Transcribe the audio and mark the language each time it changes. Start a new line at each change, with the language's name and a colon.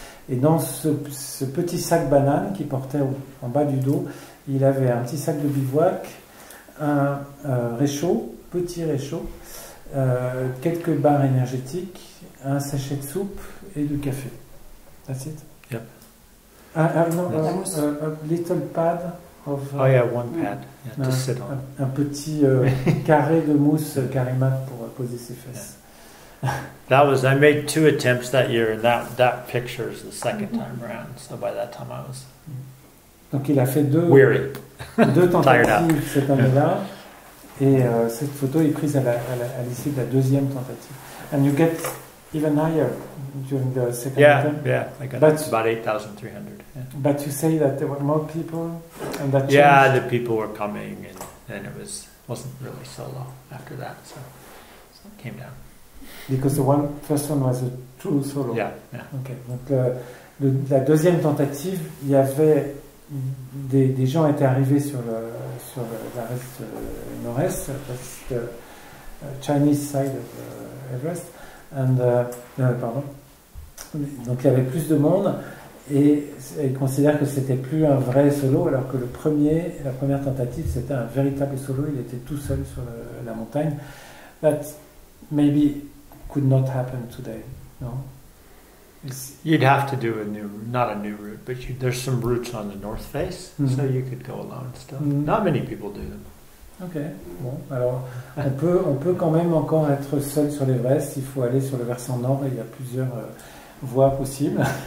French: Et dans ce petit sac banane qu'il portait en bas du dos, il avait un petit sac de bivouac, un réchaud, petit réchaud, quelques barres énergétiques, un sachet de soupe et du café.
English: That's it? Yep. A little pad of... Oh yeah, one pad. Yeah, just sit on.
French: Un petit carré de mousse Karimat pour poser ses fesses.
English: Yeah. I made two attempts that year, and that picture is the second time around. So by that time I was...
French: Donc il a fait deux...
English: Weary.
French: Deux tentatives cette année-là. Et cette photo est prise à l'issue de la deuxième tentative.
English: And you get even higher during the second attempt. Yeah, I got about 8,300. Yeah. But you say that there were more people and that changed. Yeah, the people were coming and it wasn't really so low after that, so it came down. Because the one first one was a true solo. Yeah.
French: Okay. Donc la deuxième tentative, il y avait des gens étaient arrivés sur la nord-est,
English: that's the Chinese side of Everest,
French: donc il y avait plus de monde, et ils considèrent que c'était plus un vrai solo, alors que la première tentative, c'était un véritable solo, il était tout seul sur la montagne.
English: That maybe could not happen today, no? You'd have to do not a new route, but there's some routes on the north face, mm-hmm. so you could go alone still. Mm-hmm. Not many people do them. Okay.
French: Bon, alors on peut quand même encore être seul sur l'Everest. Il faut aller sur le versant nord et il y a plusieurs voies possibles.